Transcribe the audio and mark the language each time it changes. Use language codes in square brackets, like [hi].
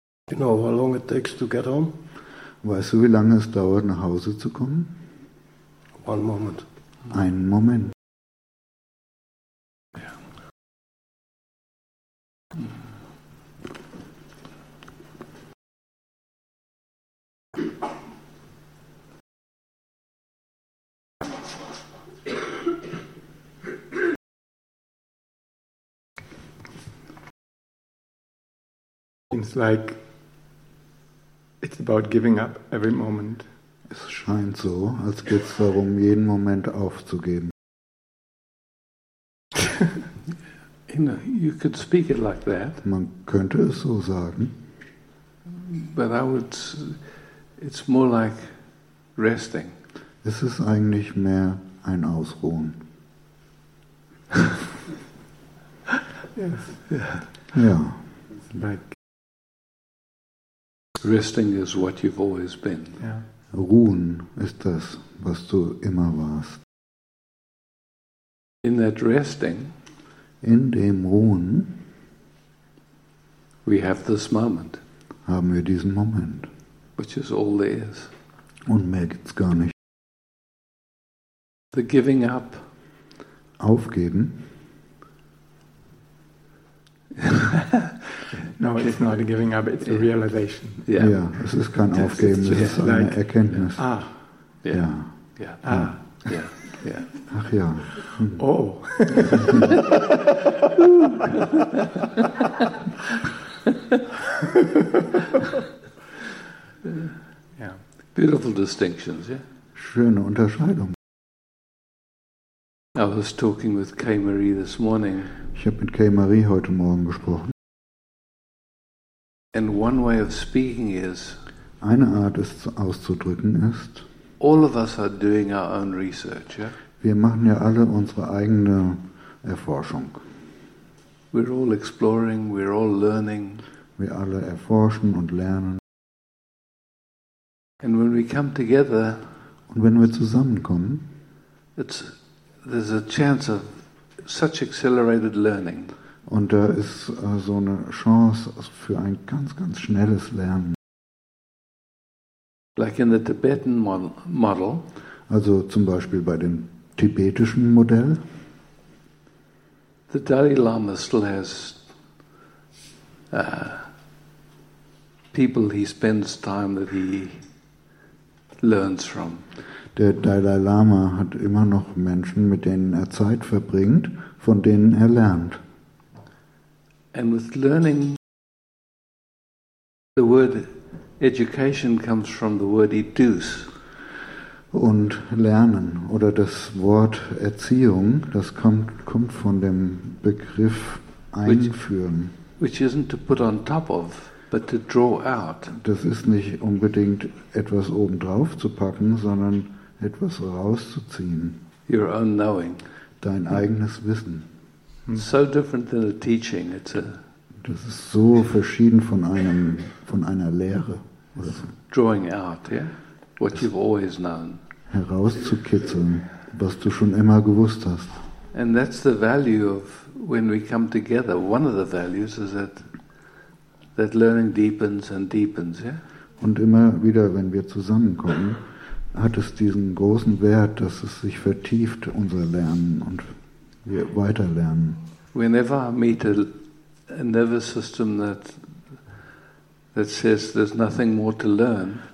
[en] You know how long it takes to get home? [de] Weißt du, wie lange es dauert, nach Hause zu kommen? [en] One moment. [de] Einen Moment. [en] It's like it's about giving up every moment. [de] Es scheint so, als geht's darum, jeden Moment aufzugeben. [en] You know, you could speak it like that. [de] Man könnte es so sagen. [en] But I would, it's more like resting. [de] Es ist eigentlich mehr ein Ausruhen. [en] Yes. Yeah. Like resting is what you've always been. Yeah. [de] Ruhen ist das, was du immer warst. [en] In that resting, [de] in dem Ruhen, [en] we have this moment. [de] Haben wir diesen Moment. [en] Which is all there is. [de] Und mehr gibt's gar nicht. [en] The giving up. [de] Aufgeben. [en] No, it's not a giving up, it's a realization. [de] Yeah, yeah, es ist kein Aufgeben, es ist eine like, Erkenntnis. [en] Ah, yeah. [de] Ja. [en] Yeah. Ah, yeah. [de] Ach ja. [en] Oh. Yeah. Beautiful distinctions, yeah? [de] Schöne Unterscheidung. [en] I was talking with Kay Marie this morning. [de] Ich habe mit Kay Marie heute Morgen gesprochen. [en] And one way of speaking is, [de] eine Art es auszudrücken ist, [en] all of us are doing our own research, yeah? [de] Wir machen ja alle unsere eigene Erforschung. [en] We're all exploring, we're all learning. [de] Wir alle erforschen und lernen. [en] And when we come together, [de] und wenn wir zusammenkommen, [en] there's a chance of such accelerated learning. [de] Und da ist so eine Chance für ein ganz, ganz schnelles Lernen. [en] Like in the Tibetan model. [de] Also zum Beispiel bei dem tibetischen Modell. [en] The Dalai Lama still has people he spends time that he learns from. [de] Der Dalai Lama hat immer noch Menschen, mit denen er Zeit verbringt, von denen er lernt. [en] And with learning, the word education comes from the word educe. [de] Und lernen oder das Wort Erziehung, das kommt von dem Begriff einführen. [en] Which isn't to put on top of, but to draw out. [de] Das ist nicht unbedingt etwas obendrauf zu packen, sondern etwas rauszuziehen. [en] Your own knowing. [de] Dein eigenes Wissen. [en] So different than a teaching. It's a. [de] Das ist so verschieden von einem von einer Lehre. Oder so. [en] Drawing out, yeah, what you've always known. [de] Herauszukitzeln, was du schon immer gewusst hast. [en] And that's the value of when we come together. One of the values is that learning deepens and deepens, yeah. [de] Und immer wieder, wenn wir zusammenkommen, hat es diesen großen Wert, dass es sich vertieft, unser Lernen und wir weiterlernen. [en] Whenever I meet a nervous system that says there's nothing more to learn.